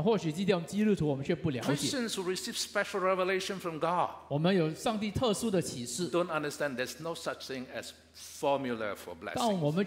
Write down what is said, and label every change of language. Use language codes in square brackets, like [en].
[zh] 或许今天我们基督徒我们却不了解。Christians [en] who receive special revelation from God. [zh] 我们有上帝特殊的启示。Don't [en] understand there's no such thing as formula for blessing.